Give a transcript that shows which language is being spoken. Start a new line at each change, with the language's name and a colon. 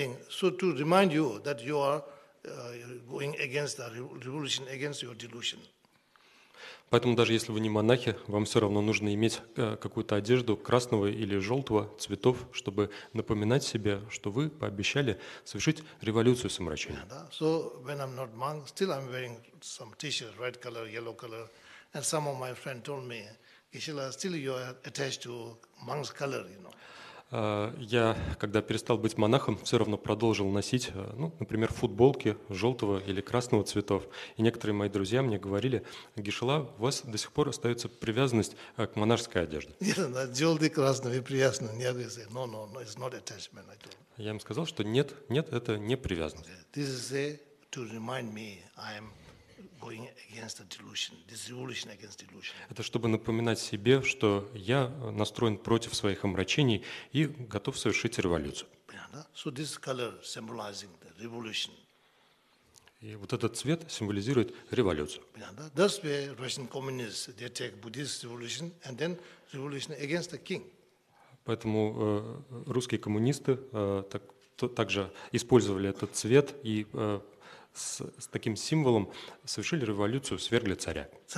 English: So to remind you that you are going against the revolution, against your delusion.
Russian: Поэтому даже если вы не монахи, вам все равно нужно иметь какую-то одежду красного или желтого цветов, чтобы напоминать себе, что вы пообещали совершить революцию с омрачением.
English: Yeah,
Russian: да?
English: So when I'm not monk, still I'm wearing some t-shirt, red color, yellow color, and some of my friends told me, Кришила, still you are attached to monk's color, you know.
Russian: Я, когда перестал быть монахом, все равно продолжил носить, ну, например, футболки желтого или красного цветов. И некоторые мои друзья мне говорили, Гишела, у вас до сих пор остается привязанность к монашеской одежде. Нет, на желтый, красный, привязанный, не обязательно.
English: No, it's not attachment, I told.
Russian: Я им сказал, что нет, это не привязанность.
English: Okay. This is to remind me, I'm going against the delusion, this revolution against delusion.
Russian: Это чтобы напоминать себе, что я настроен против своих омрачений и готов совершить революцию.
English: So this color symbolizing the revolution.
Russian: И вот этот цвет символизирует революцию.
English: That's where Russian communists, they take Buddhist revolution and then revolution against the king.
Russian: Поэтому русские коммунисты также использовали этот цвет и с таким символом совершили революцию, свергли царя.